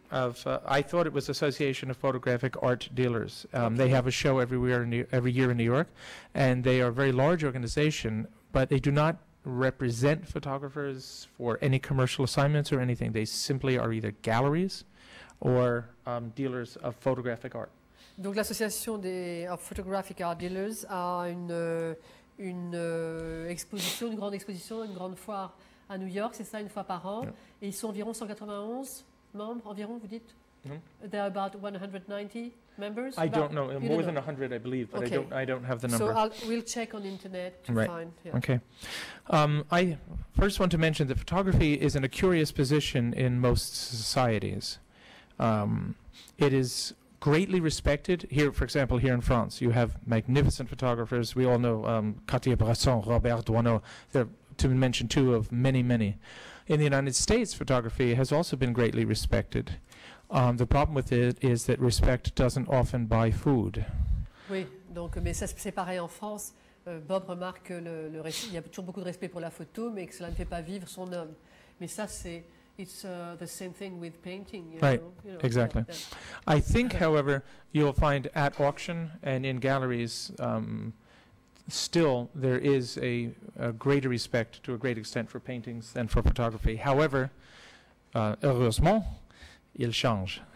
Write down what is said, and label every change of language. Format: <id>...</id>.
<en>I thought it was Association of Photographic Art Dealers. Okay. They have a show every year in New York, and they are a very large organization, but they do not represent photographers for any commercial assignments or anything. They simply are either galleries or dealers of photographic art.</en> <fr>Donc l'Association of Photographic Art Dealers a une exposition, une grande exposition, une grande foire à New York, c'est ça, une fois par an.</fr> <en>Yeah.</en> <fr>Et ils sont environ 191 membres, environ, vous dites? Mm-hmm.</fr> <en>There are about 190 members? I don't know. More than 100, I believe, but okay. I don't have the number. So we'll check on the internet to find. Yeah. Okay. I first want to mention that photography is in a curious position in most societies. It is greatly respected here, for example, here in France. You have magnificent photographers. We all know Cartier-Bresson, Robert Doisneau, to mention two of many, many. In the United States, photography has also been greatly respected. The problem with it is that respect doesn't often buy food.</en> <fr>Oui, donc, mais ça, c'est pareil en France. Bob remarque que il y a toujours beaucoup de respect pour la photo, mais que cela ne fait pas vivre son homme. Mais ça, c'est...</fr> <en>It's the same thing with painting. Exactly. I think, however, you'll find at auction and in galleries, still there is a greater respect to a great extent for paintings than for photography. However,</en> <fr>heureusement, il change.</fr>